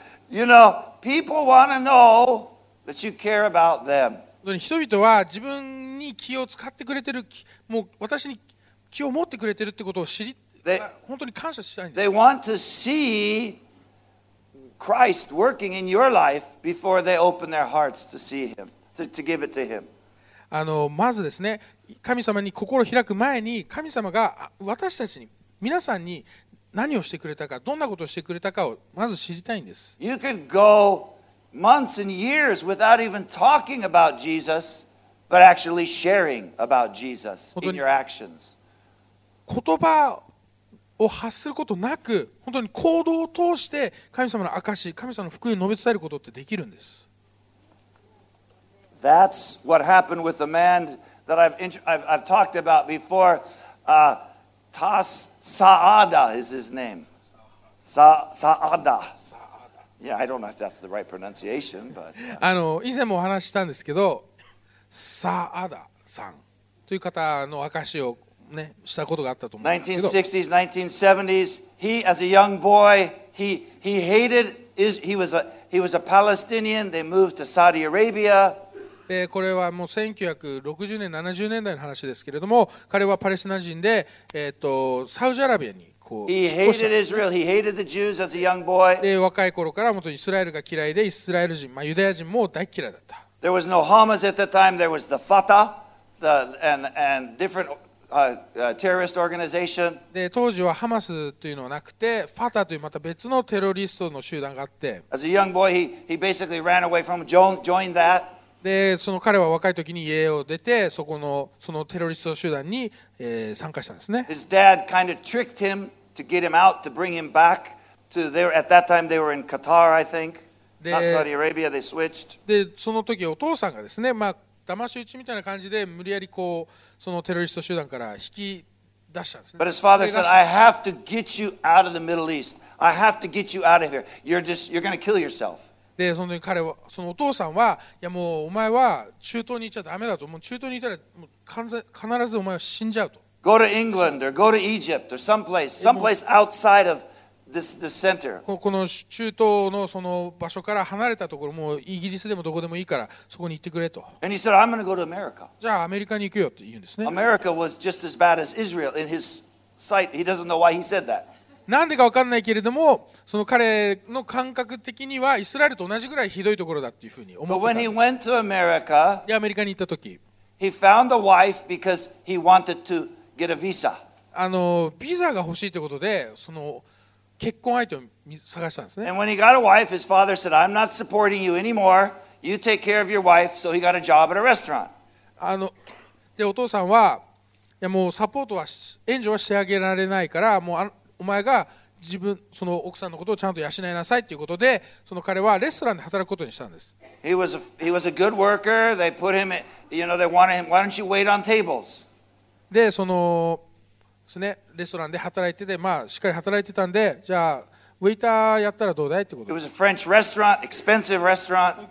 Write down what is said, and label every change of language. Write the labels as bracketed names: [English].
[English] You know, people want to know that you care about them. [Japanese] 人々は自分に気を使ってくれてる、もう私に気を持ってくれてるってことを知り、本当に感謝したいんです。 [English] They want to see Christ working in your life before they open their hearts to see Him, to give it to Him. [Japanese] まずですね、神様に心を開く前に、神様が私たちに、皆さんに何をしてくれたか、どんなことをしてくれたかをまず知りたいんです。 [English] You could goMonths and years without even talking about Jesus, but actually sharing about Jesus in your actions. [Japanese] 言葉を発することなく、本当に行動を通して神様の証、神様の福音を述べ伝えることってできるんです。 [English] That's what happened with the man that I've talked about before. Tas Saada is his name. Saada. Yeah, I don't know if that's the right pronunciation, but. [Japanese] 以前もお話したんですけど、サアダさんという方の証しをね、したことがあったと思うんですけど。 [English] 1960s, 1970s, he, as a young boy, he hated, he was a Palestinian, they moved to Saudi Arabia. [Japanese] で、これはもう1960年、70年代の話ですけれども、彼はパレスチナ人で、サウジアラビアに。 [English] He hated Israel. He hated the Jews as a young boy. [Japanese] で、若い頃から元イスラエルが嫌いで、イスラエル人、まあユダヤ人も大嫌いだった。 [English] There was no Hamas at the time. There was the Fatah, and different terrorist organization. [Japanese] で、当時はハマスというのはなくて、ファタというまた別のテロリストの集団があって。 [English] As a young boy, he basically ran away from joined that. [Japanese] で、その彼は若い時に家を出て、そこのそのテロリスト集団に。参加したんですね。 [English] His dad kind of tricked him to get him out to bring him back to there. At that time they were in Qatar, I think. Not Saudi Arabia. They switched. [Japanese] で、その時お父さんがですね、まあ騙し討ちみたいな感じで無理やりこうそのテロリスト集団から引き出したんですね。 [English] But his father said, "I have to get you out of the Middle East. I have to get you out of here. You're going to kill yourself." [Japanese] で、その時彼はそのお父さんは、いやもうお前は中東に行っちゃダメだと、もう中東にいたらもう必ずお前は死んじゃうと。 [English] Go to England or go to Egypt or someplace outside of this center. [Japanese] この中東のその場所から離れたところ、もうイギリスでもどこでもいいからそこに行ってくれと。 [English] And he said, "I'm going to go to America." [Japanese] じゃあアメリカに行くよって言うんですね。 [English] America was just as bad as Israel in his sight. He doesn't know why he said that. [Japanese] なんでか分かんないけれども、その彼の感覚的にはイスラエルと同じぐらいひどいところだっていうふうに思ってたんです。 [English] But when he went to America, [Japanese] で、アメリカに行った時、 [English] he found a wife because he wanted to get a visa. [Japanese] ビザが欲しいということで、その結婚相手を探したんですね。 [English] And when he got a wife, his father said, "I'm not supporting you anymore. You take care of your wife." So he got a job at a restaurant. [Japanese] で、お父さんは、いやもうサポートは、援助はしてあげられないから、もうお前が自分その奥さんのことをちゃんと養いなさいということで、その彼はレストランで働くことにしたんです。 [English] He was a good worker. They put him, you know, they wanted him. Why don't you wait on tables? [Japanese] で、そのですね、レストランで働いてて、まあしっかり働いてたんで、じゃあウェイターやったらどうだいってこと。 [English] It was a French restaurant, expensive restaurant.